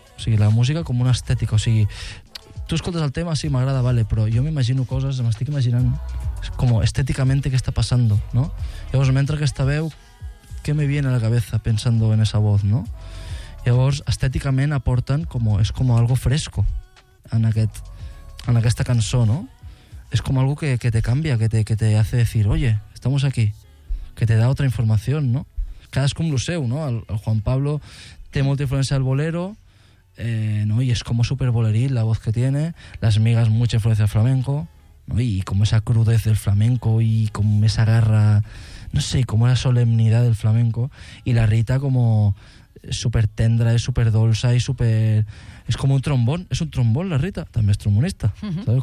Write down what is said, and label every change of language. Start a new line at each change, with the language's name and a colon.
Catalan: O sigui, la música com una estètica, o sigui, tu escoltes el tema, sí, m'agrada, vale, però jo m'imagino coses, m'estic imaginant com estèticament què està passant, no? Llavors, mentre aquesta veu, què
Spanish: me viene a la cabeza pensando en esa voz, no?
Catalan: Llavors, estèticament aporten com, és com
Spanish: algo fresco en,
Catalan: aquest, en aquesta cançó, no? És com
Spanish: algo que te cambia, que te hace decir, oye, estamos aquí, que te da otra información, no?
Catalan: Cadascú amb lo seu, no? El Juan Pablo té molta influència del bolero, no? I és com super boleril
Spanish: la voz que tiene, Las Migas mucha influencia del flamenco, ¿no? Y como esa crudez del flamenco y como esa garra, no sé, como la solemnidad del flamenco. Y la Rita como súper tendra, es súper dolsa y súper... Es como un trombón, es un trombón la Rita, también es trombonista, ¿sabes?